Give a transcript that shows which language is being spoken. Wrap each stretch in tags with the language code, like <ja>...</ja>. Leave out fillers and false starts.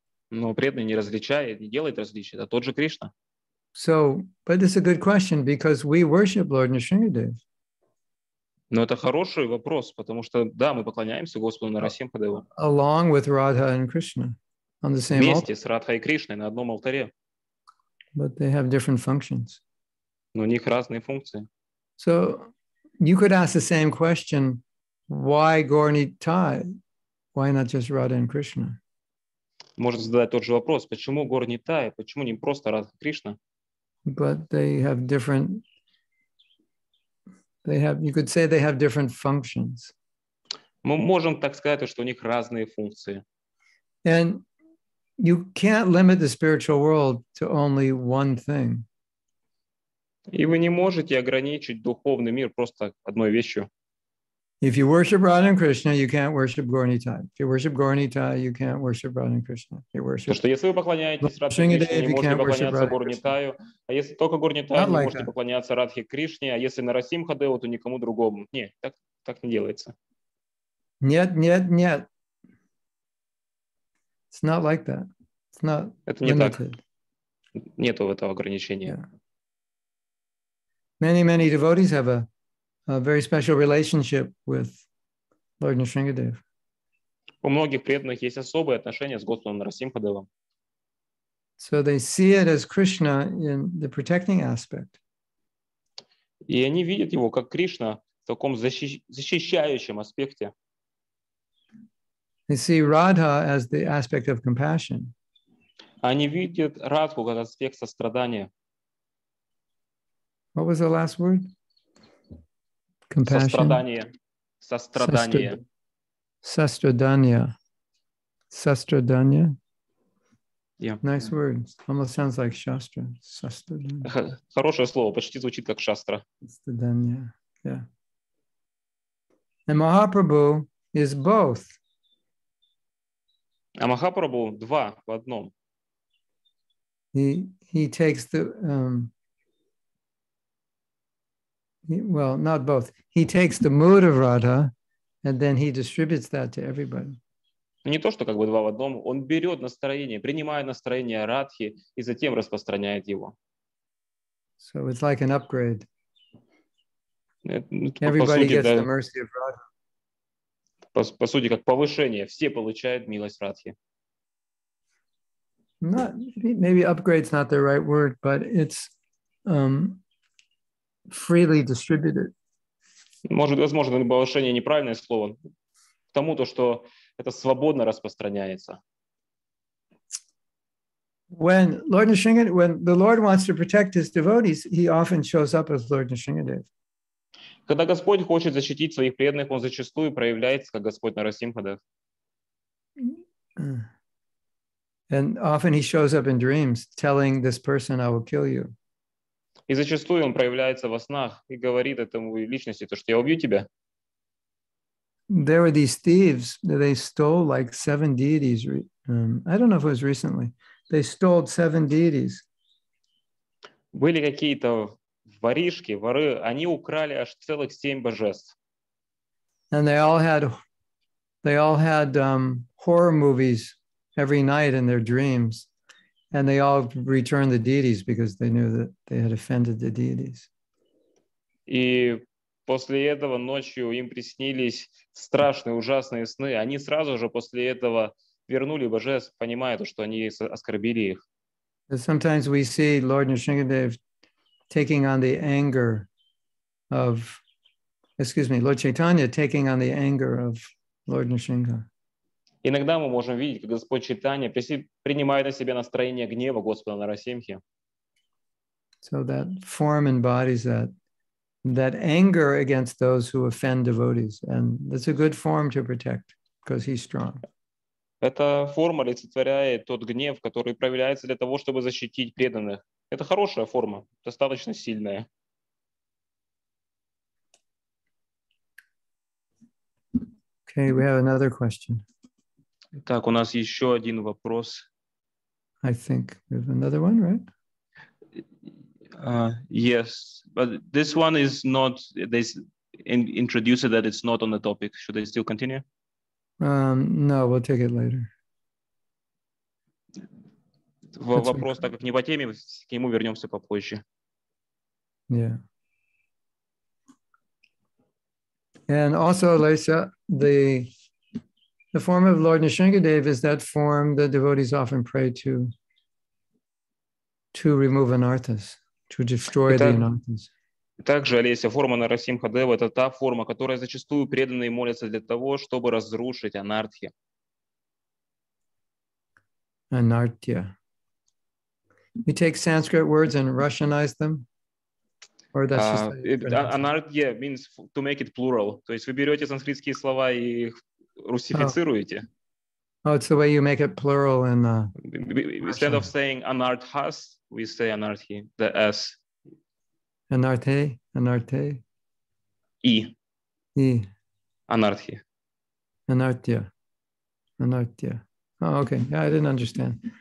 <ru>Но преданный не различает, не делает различия, это тот же Кришна.</ru> <en>So, but it's a good question because we worship Lord Narasimhadev.</en> <ru>Но это хороший вопрос, потому что да, мы поклоняемся Господу Нарасимхадеву.</ru> <en>Along with Radha and Krishna on the same altar.</en> <ru>Вместе с Радхой и Кришной на одном алтаре.</ru> <en>But they have different functions.</en> <ru>Но у них разные функции.</ru> <en>So, you could ask the same question. Why Gornitai? Why not just Radha and Krishna?</en> <ru>Можно задать тот же вопрос, почему Gornitai, почему не просто Радха Кришна?</ru> <en>But they have different functions.</en> <ru>Мы можем так сказать, что у них разные функции.</ru> <en>And you can't limit the spiritual world to only one thing.</en> <ru>И вы не можете ограничить духовный мир просто одной вещью.</ru> <en>If you worship Radha and Krishna, you can't worship Gornitai. If you worship Gornitai, you can't worship Radha and Krishna. You worship.</en> <ru>То что если вы поклоняетесь Радхе Кришне, не можете поклоняться Гурнитаю, а если только Гурнитаю, не можете поклоняться Радхе Кришне, а если Нарасимхадеву, то никому другому. Не, так не делается. Нет, нет, нет.</ru> <en>It's not like that. It's not</en> <ru>Это не</ru> <en>limited.</en> <ru>Так. Нету этого ограничения.</ru> <en>Yeah. Many, many devotees have a very special relationship with Lord Nrisimhadev.</en> <ru>У многих преданных есть особые отношения с Господом Нарасимхадевом.</ru> <en>So they see it as Krishna in the protecting aspect.</en> <ru>И они видят его как Кришна в таком защищающем аспекте.</ru> <en>They see Radha as the aspect of compassion.</en> <ru>Они видят Радху как аспект сострадания.</ru> <en>What was the last word? Compassion.</en> <ru>Сострадание. Сострадание. Sastradanya. Sastradanya.</ru> <en>Yeah. Nice yeah. word. Almost sounds like shastra. Sastradanya.</en> <ru>Хорошее слово, почти звучит как шастра.</ru> <en>Sastradanya. Yeah. And Mahaprabhu is both.</en> <ru>А Махапрабху два в одном.</ru> <en>He takes the well, not both. He takes the mood of Radha. And then he distributes that to everybody.</en> <ru>Не то, что как бы два в одном. Он берет настроение, принимает настроение Радхи и затем распространяет его.</ru> <en>So it's like an upgrade. Everybody gets</en> <ru>да,</ru> <en>the mercy of Radha.</en> <ru>По сути, как повышение. Все получают милость Радхи.</ru> <en>Not, maybe upgrade's not the right word, but it's freely distributed.</en> <ru>Может, возможно, повышение неправильное слово к тому, то, что это свободно распространяется.</ru> <en>When Lord Nrisimhadev, when the Lord wants to protect his devotees, he often shows up as Lord Nrisimhadev.</en> <ru>Когда Господь хочет защитить своих преданных, он зачастую проявляется как Господь Нарасимхадев.</ru> <en>And often he shows up in dreams, telling this person, "I will kill you."</en> <ru>И зачастую он проявляется во снах и говорит этому личности, то, что я убью тебя.</ru> <en>There were these thieves, they stole like seven deities. I don't know if it was recently. They stole seven deities.</en> <ru>Были какие-то воришки, воры, они украли аж целых семь божеств.</ru> <en>And they all had horror movies every night in their dreams. And they all returned the deities because they knew that they had offended the deities.</en> <ru>И после этого ночью им приснились страшные, ужасные сны. Они сразу же после этого вернули божеств, понимая то, что они оскорбили их.</ru> <en>Sometimes we see Lord Nrisimhadev taking on the anger of, excuse me, Lord Chaitanya taking on the anger of Lord Nrisimha.</en> <ru>Иногда мы можем видеть, как Господь Чайтанья принимает на себя настроение гнева Господа Нарасимхи.</ru> <en>So that form embodies that anger against those who offend devotees, and that's a good form to protect because he's strong.</en> <ru>Эта форма олицетворяет тот гнев, который проявляется для того, чтобы защитить преданных. Это хорошая форма, достаточно сильная.</ru> <en>Okay, we have another question.</en> <ru>Так, у нас еще один вопрос.</ru> <en>I think we have another one, right? Yes, but this one is not, they introduce it that it's not on the topic. Should I still continue? No, we'll take it later. That's</en> <ru>вопрос,</ru> <en>right.</en> <ru>Так как не по теме, к нему вернемся попозже.</ru> <en>Yeah. And also, Lisa, The form of Lord Nrisimhadev is that form the devotees often pray to remove anarthas, to destroy the anarthas.</en> <ru>Также, Олеся, форма Нарасимхадева — это та форма, которая зачастую преданные молятся для того, чтобы разрушить анартхи.</ru> <en>Anartya. You take Sanskrit words and Russianize them? Or that's just anartya means to make it plural.</en> <ru>То есть вы берете санскритские слова и их русифицируете.</ru> <en>Oh, it's the way you make it plural in instead of saying anarthas, we say anarthi, the S.</en> <ru>Anarthe, anarthe. E. E. Anarthi.</ru> <en>Anarthya. Anarthya. Oh, okay. Yeah, I didn't understand.</en>